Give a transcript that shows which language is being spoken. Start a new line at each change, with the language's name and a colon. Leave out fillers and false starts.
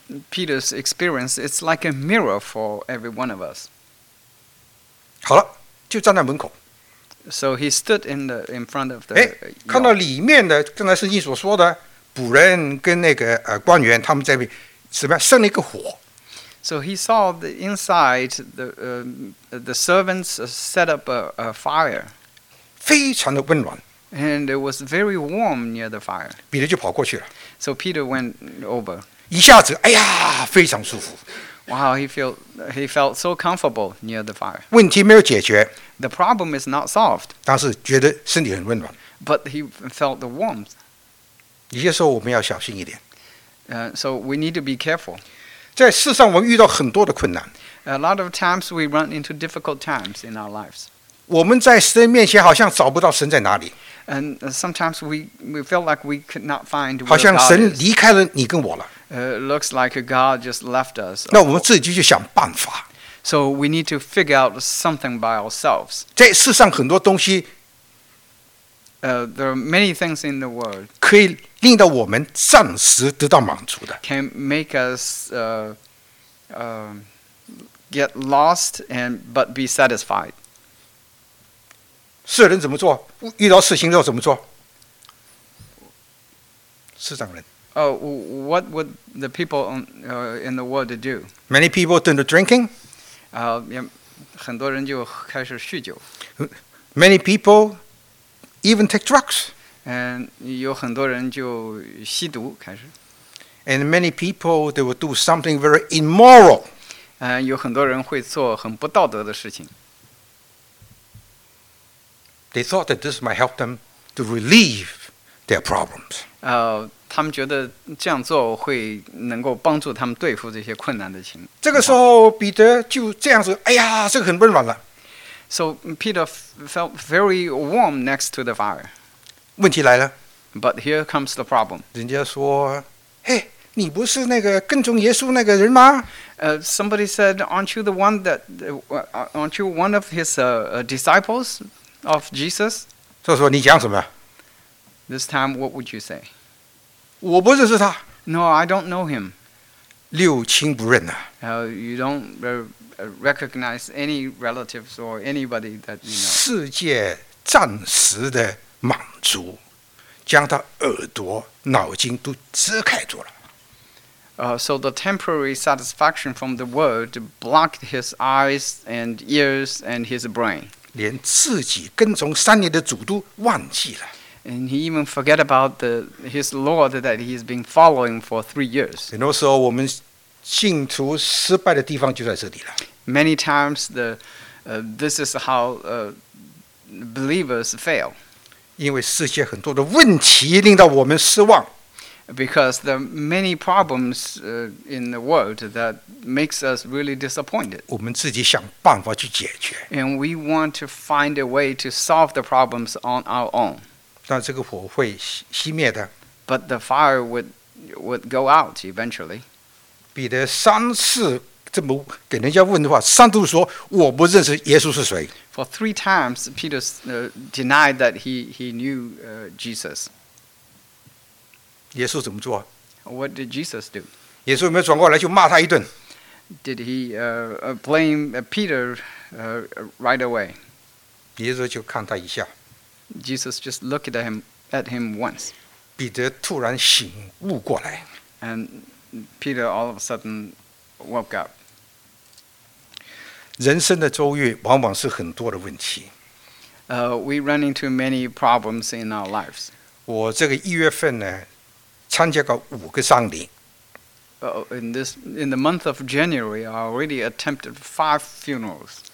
English: Peter's experience is like a mirror for every one of us.
Chinese: 好了，就站在门口。
English: So he stood in front of the.
Chinese: 看到里面的，刚才圣经所说的仆人跟那个官员，他们在那什么生了一个火。
English: So he saw the inside the servants set up a fire.
Chinese: 非常的温暖。
English: And it was very warm near the fire.
Chinese: 彼得就跑过去了。
English: So Peter went over.
Chinese: 一下子，哎呀，非常舒服。
English: Wow, he felt so comfortable near the fire.
Chinese: 问题没有解决。
English: The problem is not solved.
Chinese: 但是觉得身体很温暖。
English: But he felt the warmth.
Chinese: 有些时候我们要小心一点。
English: So we need to be careful.
Chinese: 在世上我们遇到很多的困难。
English: A lot of times we run into difficult times in our lives.
Chinese: 我们在神面前好像找不到神在哪里。
English: And sometimes we feel like we could not find where God is.
Chinese: 好像神离开了你跟我了。
English: Looks like God just left us.
Chinese: 那我们自己就想办法。
English: So we need to figure out something by ourselves.
Chinese: 在世上很多东西
English: there are many things in the world
Chinese: 可以令到我们暂时得到满足的
English: can make us get lost and but be satisfied.
Chinese: 世人怎么做？遇到事情要怎么做？世上人。
English: Oh, what would the people in the world do? Many people turn to drinking.
Chinese: 很多人就开始酗酒。
English: Many people even take drugs.
Chinese: And 有很多人就吸毒开始。
English: And many people, they will do something very immoral.
Chinese: 有很多人会做很不道德的事情。
English: They thought that this might help them to relieve their problems.
Chinese: 他们觉得这样做会能够帮助他们对付这些困难的情况。这个时候彼得就这样子，哎呀，这个很温暖了。
English: So Peter felt very warm next to the fire.
Chinese: 问题来了。
English: But here comes the problem.
Chinese: 人家说，嘿，你不是那个跟从耶稣那个人吗？
English: Somebody said, aren't you the one that, aren't you one of his disciples of Jesus?
Chinese: 这时候你讲什么？
English: This time, what would you say?
Chinese: 我不认识他。
English: No, I don't know him.
Chinese: 六亲不认啊。
English: You don't recognize any relatives or anybody that you know.
Chinese: 世界暂时的满足，将他耳朵、脑筋都遮盖住了。
English: So the temporary satisfaction from the world blocked his eyes and ears and his brain.
Chinese: 连自己跟从三年的主都忘记了。
English: And he even forget about his Lord that he's been following for 3 years. And also,
Chinese: 我们信徒失败的地方就在这里了。
English: Many times, this is how believers fail.
Chinese: 因为世界很多的问题令到我们失望。
English: Because there are many problems in the world that makes us really disappointed.
Chinese: 我们自己想办法去解决。
English: And we want to find a way to solve the problems on our own.
Chinese: 但这个火会熄灭的。
English: But the fire would go out eventually.
Chinese: 彼得三次这么给人家问的话，三度说我不认识耶稣是谁。
English: For three times, Peter denied that he knew Jesus.
Chinese: 耶稣怎么做？
English: What did Jesus do?
Chinese: 耶稣有没有转过来就骂他一顿？
English: Did he blame Peter right away?
Chinese: 耶稣就看他一下。
English: Jesus just looked at him once.
Chinese: 彼得突然醒悟过来。
English: And Peter all of a sudden woke up.
Chinese: 人生的遭遇往往是很多的问题。
English: We run into many problems in our lives.
Chinese: 我这个一月份呢，参加过五个丧礼。
English: In the month of January, I already attempted 5 funerals.